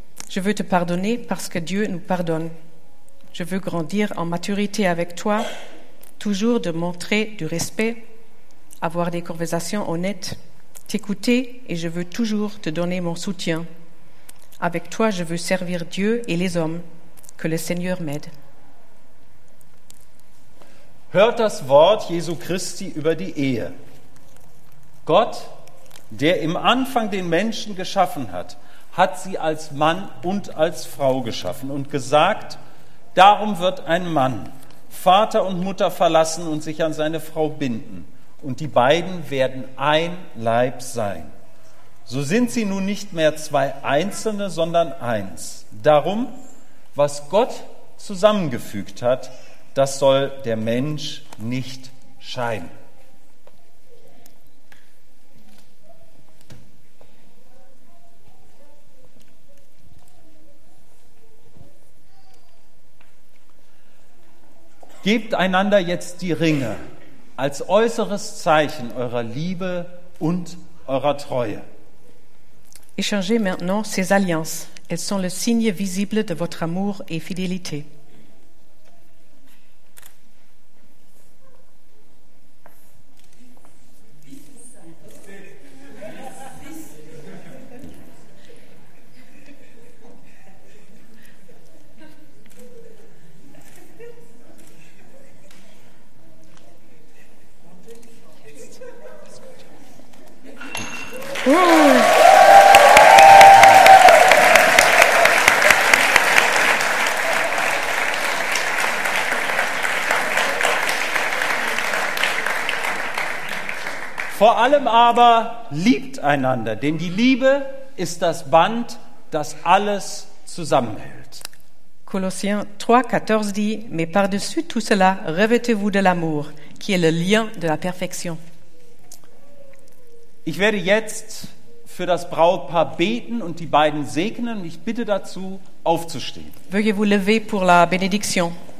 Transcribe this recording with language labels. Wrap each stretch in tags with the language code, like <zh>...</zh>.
<fr>Je veux te pardonner parce que Dieu nous pardonne. Je veux grandir en maturité avec toi, toujours te montrer du respect, avoir des conversations honnêtes, t'écouter et je veux toujours te donner mon soutien. Avec toi, je veux servir Dieu et les hommes. Que le Seigneur m'aide.</fr> <de>Hört das Wort Jesu Christi über die Ehe. Gott, der im Anfang den Menschen geschaffen hat, hat sie als Mann und als Frau geschaffen und gesagt, darum wird ein Mann Vater und Mutter verlassen und sich an seine Frau binden. Und die beiden werden ein Leib sein. So sind sie nun nicht mehr zwei Einzelne, sondern eins. Darum, was Gott zusammengefügt hat, das soll der Mensch nicht scheiden. Gebt einander jetzt die Ringe als äußeres Zeichen eurer Liebe und eurer Treue.</de> <fr>Échangez maintenant ces alliances. Elles sont le signe visible de votre amour et fidélité.</fr> <de>Vor allem aber liebt einander, denn die Liebe ist das Band, das alles zusammenhält.</de> <fr>Colossiens 3, 14 dit: Mais par-dessus tout cela, revêtez-vous de l'amour, qui est le lien de la perfection.</fr> <de>Ich werde jetzt für das Brautpaar beten und die beiden segnen. Ich bitte dazu, aufzustehen.</de> <fr>Veuillez-vous lever pour la bénédiction.</fr>